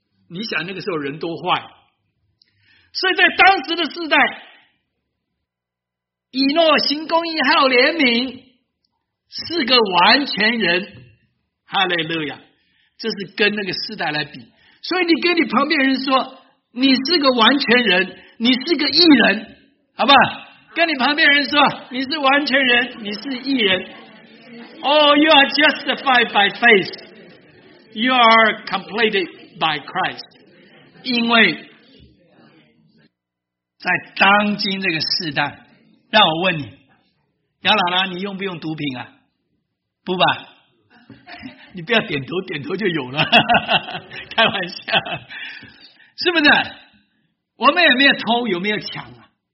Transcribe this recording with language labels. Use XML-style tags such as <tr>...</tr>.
<zh>你想那个时候人多坏，所以在当时的时代，以诺行公义还有怜悯，是个完全人。哈利路亚，这是跟那个时代来比。所以你跟你旁边人说，你是个完全人，你是个义人，好不好？跟你旁边人说，你是完全人，你是义人。</zh> <en>Oh, you are justified by faith. You are completed by Christ.</en> <zh>因为在当今这个时代，让我问你，姚老老，你用不用毒品啊？不吧，你不要点头，点头就有了，开玩笑，是不是？我们有没有偷？有没有抢啊？</zh>